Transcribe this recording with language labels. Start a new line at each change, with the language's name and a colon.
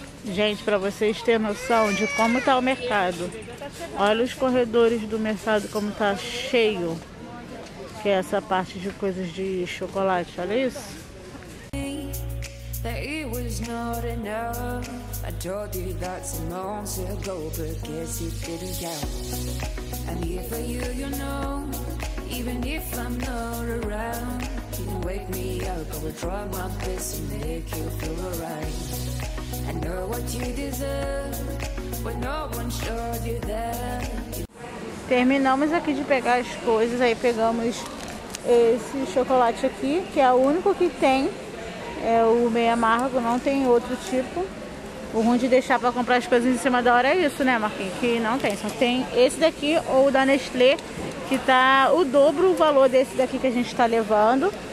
Portuguese: Gente, pra vocês terem noção de como tá o mercado. Olha os corredores do mercado como tá cheio. Que é essa parte de coisas de chocolate, olha isso.
English: That it was not enough. I told you that some months ago, but guess it didn't count. I'm here for you, you know. Even if I'm not around, you can wake me up. I will try my best to make you feel alright. I know what you deserve, but no one showed you that.
Portuguese: Terminamos aqui de pegar as coisas. Aí pegamos esse chocolate aqui, que é o único que tem. É o meio amargo, não tem outro tipo. O ruim de deixar pra comprar as coisas em cima da hora é isso, né, Marquinhos? Que não tem, só tem esse daqui ou o da Nestlé, que tá o dobro o valor desse daqui que a gente tá levando.